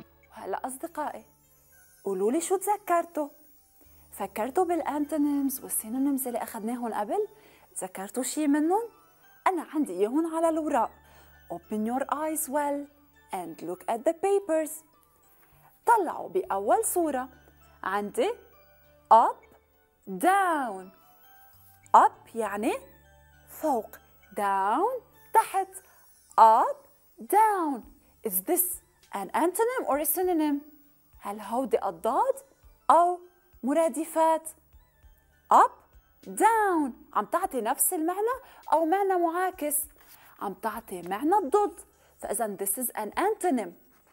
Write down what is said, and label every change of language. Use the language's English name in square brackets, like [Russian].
[Arabic] وهلا أصدقائي قولوا لي شو تذكرتوا؟ فكرتوا بالأنتونيمز والسينونيمز اللي أخذناهم قبل؟ تذكرتوا شي منهم؟ أنا عندي إياهم على الورق. [English] Open your eyes well and look at the papers. [Arabic] طلعوا بأول صورة عندي [English] up down. [Arabic] up يعني فوق، down تحت. [English] up down. Is this an antonym or a synonym؟ [Arabic] هل هودي أضداد أو مرادفات؟ [English] up down [Arabic] عم تعطي نفس المعنى أو معنى معاكس؟ عم تعطي معنى الضد، فإذا [English] this is an antonym.